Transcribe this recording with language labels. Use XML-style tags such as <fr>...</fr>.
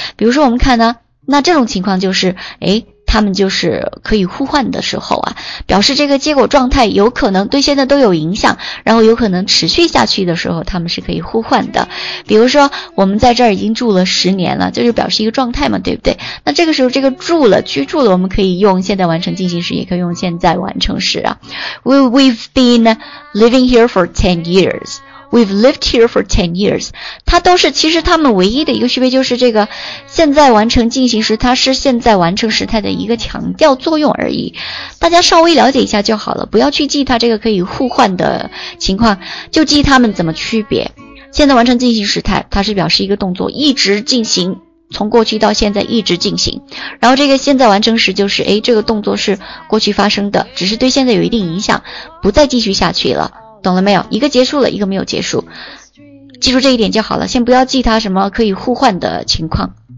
<zh>比如说我们看呢，那这种情况就是他们就是可以互换的时候啊，表示这个结果状态有可能对现在都有影响，然后有可能持续下去的时候，他们是可以互换的。比如说我们在这儿已经住了十年了，这就表示一个状态嘛，对不对？那这个时候这个住了，居住了，我们可以用现在完成进行时，也可以用现在完成时啊。</zh> <en>We've been living here for 10 years. We've lived here for 10 years.</en> <zh>它都是，其实它们唯一的一个区别就是这个现在完成进行时它是现在完成时态的一个强调作用而已，大家稍微了解一下就好了，不要去记它这个可以互换的情况，就记它们怎么区别。现在完成进行时态它是表示一个动作一直进行，从过去到现在一直进行，然后这个现在完成时就是这个动作是过去发生的，只是对现在有一定影响，不再继续下去了，懂了没有？一个结束了，一个没有结束，记住这一点就好了，先不要记它什么可以互换的情况。</zh>